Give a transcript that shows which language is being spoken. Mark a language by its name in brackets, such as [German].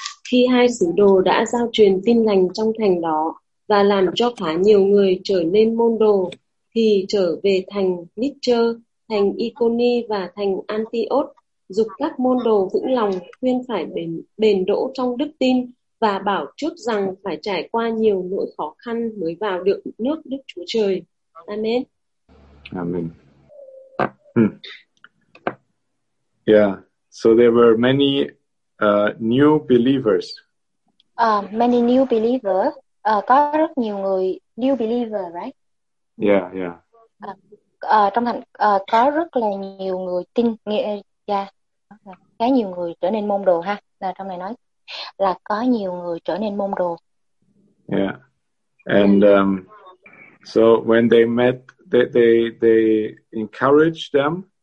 [Vietnamese] Khi hai sứ đồ đã giao truyền tin lành trong thành đó và làm cho khá nhiều người trở nên môn đồ, thì trở về thành Lystra, thành Iconi và thành Antioch, dục các môn đồ vững lòng khuyên phải bền đỗ trong đức tin và bảo trước rằng phải trải qua nhiều nỗi khó khăn mới vào được nước Đức Chúa Trời. [English] Amen. Amen. Yeah, so there were many new believers. Many new believers. [Vietnamese] Có rất nhiều người [English] new believer, right? Yeah, yeah. [Vietnamese] Trong thành có rất là nhiều người tin nghĩa ra. Yeah. Khá nhiều người trở nên môn đồ ha. Là trong này nói là có nhiều người trở nên môn đồ. [English] Yeah. And so when they met, they encouraged them.